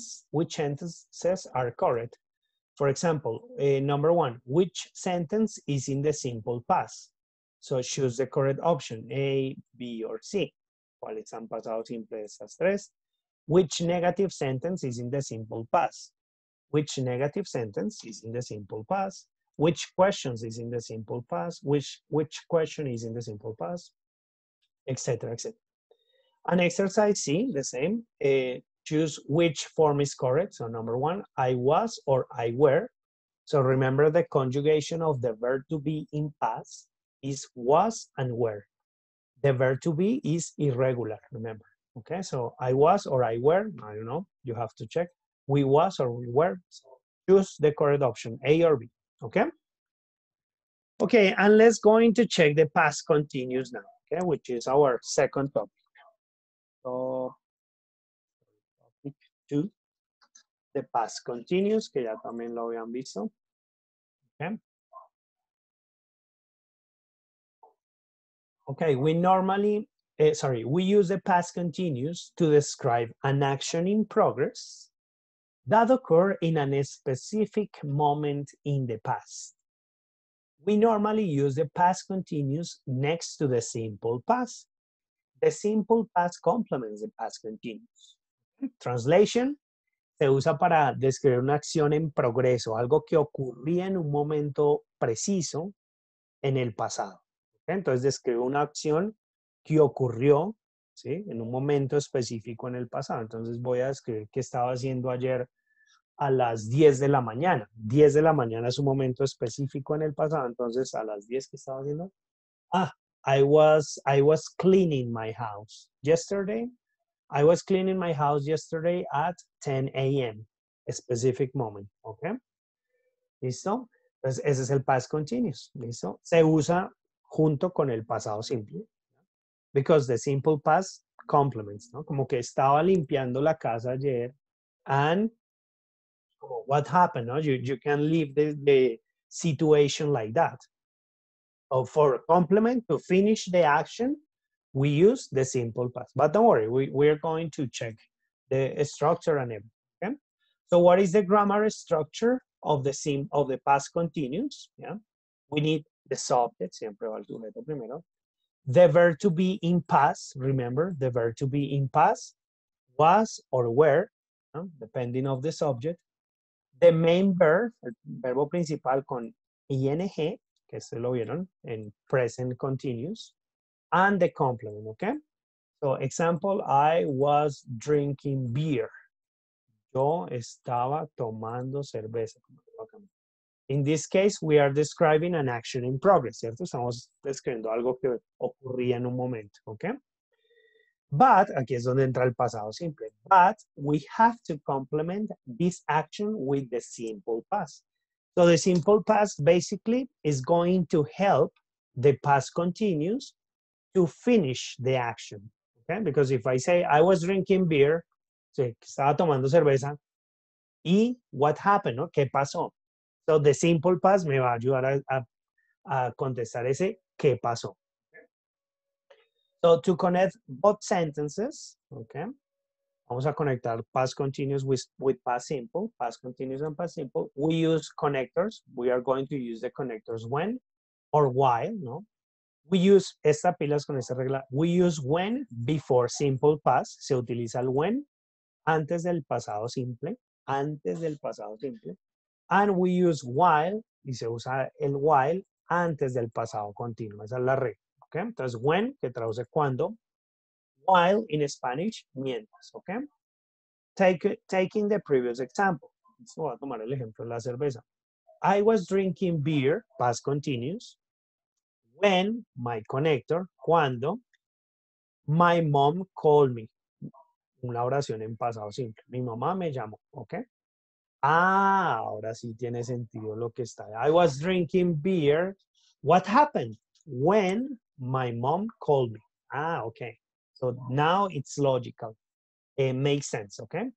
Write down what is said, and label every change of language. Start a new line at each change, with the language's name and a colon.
English: Which sentences are correct? For example, number one, which sentence is in the simple past? So choose the correct option, A, B, or C.
Spanish: ¿Cuál es el pasado simple de esas tres?
English: Which negative sentence is in the simple past? Which negative sentence is in the simple past? Which questions is in the simple past? Which question is in the simple past? Etc., etc. An exercise C, the same. Choose which form is correct. So number one, I was or I were. So remember the conjugation of the verb to be in past is was and were. The verb to be is irregular, remember. Okay, so I was or I were, I don't know, you have to check. We was or we were. So choose the correct option, A or B, okay? Okay, and let's go into check the past continuous now, okay, which is our second topic. To the past continuous,
Spanish: que ya también lo habían visto.
English: Okay, we normally, we use the past continuous to describe an action in progress that occurred in a specific moment in the past. We normally use the past continuous next to the simple past. The simple past complements the past continuous.
Spanish: Translation, se usa para describir una acción en progreso, algo que ocurría en un momento preciso en el pasado. Entonces, describe una acción que ocurrió, ¿sí?, en un momento específico en el pasado. Entonces, voy a describir qué estaba haciendo ayer a las 10 de la mañana. 10 de la mañana es un momento específico en el pasado. Entonces, a las 10, ¿qué estaba haciendo?
English: Ah, I was cleaning my house yesterday. I was cleaning my house yesterday at 10 a.m., a specific moment, okay?
Spanish: ¿Listo? Entonces, ese es el past continuous, ¿listo? Se usa junto con el pasado simple,
English: because the simple past complements,
Spanish: ¿no? Como que estaba limpiando la casa ayer,
English: and what happened,
Spanish: ¿no?
English: You can leave the situation like that. So for a complement, to finish the action, we use the simple past, but don't worry, we're going to check the structure and everything. Okay? So what is the grammar structure of the past continuous? Yeah, we need the subject,
Spanish: siempre va el sujeto primero.
English: The verb to be in past, remember, the verb to be in past, was or were, yeah? Depending of the subject. The main verb,
Spanish: el verbo principal con ing, que se lo vieron, en
English: present continuous. And the complement, okay? So, example, I was drinking beer.
Spanish: Yo estaba tomando cerveza.
English: In this case, we are describing an action in progress, ¿cierto?
Spanish: Estamos describiendo algo que ocurría en un momento, okay? But, aquí es donde entra el pasado simple.
English: But, we have to complement this action with the simple past. So, the simple past basically is going to help the past continuous to finish the action, okay? Because if I say, I was drinking beer,
Spanish: sí, estaba tomando cerveza, y
English: what happened, ¿no?
Spanish: ¿Qué pasó?
English: So the simple past
Spanish: me va a ayudar a contestar ese, ¿qué pasó?
English: So to connect both sentences, okay?
Spanish: Vamos a conectar
English: past continuous with past simple, past continuous and past simple. We use connectors. We are going to use the connectors when or while, ¿no? We use,
Spanish: esta pila es con esta regla,
English: we use when before simple past,
Spanish: se utiliza el when, antes del pasado simple, antes del pasado simple.
English: And we use while,
Spanish: y se usa el while, antes del pasado continuo, esa es la regla, okay? Entonces, when, que traduce cuando,
English: while in Spanish,
Spanish: mientras, okay?
English: Taking the previous example, so
Spanish: voy a tomar el ejemplo de la cerveza.
English: I was drinking beer, past continuous, when, my connector, cuando, my mom called me.
Spanish: una oración en pasado simple. Mi mamá me llamó, ¿ok? Ah, ahora sí tiene sentido lo que está.
English: I was drinking beer. What happened? When my mom called me. Ah, ok. So now it's logical. It makes sense, ¿ok?